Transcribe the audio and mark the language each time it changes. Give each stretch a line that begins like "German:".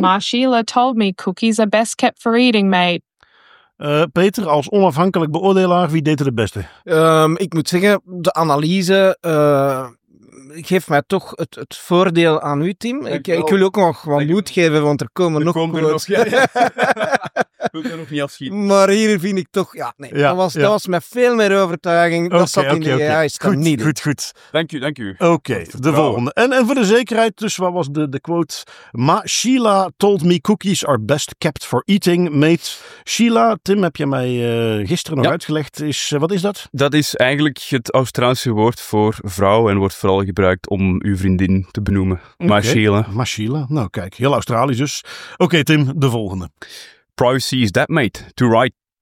English: Maar Sheila told me cookies are best kept for eating, mate.
Dutch: Peter, als onafhankelijk beoordelaar, wie deed er het beste? Ik moet zeggen, de analyse geeft mij toch het voordeel aan u, Tim. Ik wil ook nog wat moed geven, want er komen nog quotes. Ja. daarop niet afschieten. Maar hier vind ik toch, ja, nee. Ja, dat was met veel meer overtuiging. Okay, dat zat in de AI goed, niet. Goed, goed. Dank u. Oké, de volgende. En voor de zekerheid, dus wat was de quote?
English: Ma Sheila told me cookies are best kept for eating, mate.
Dutch: Sheila, Tim, heb je mij gisteren nog uitgelegd. Wat is dat? Dat is eigenlijk het Australische woord voor vrouw en wordt vooral gebruikt om uw vriendin te benoemen. Okay. Ma Sheila. Nou kijk, heel Australisch dus. Oké, Tim, de volgende.
English: Privacy is that, mate. To write.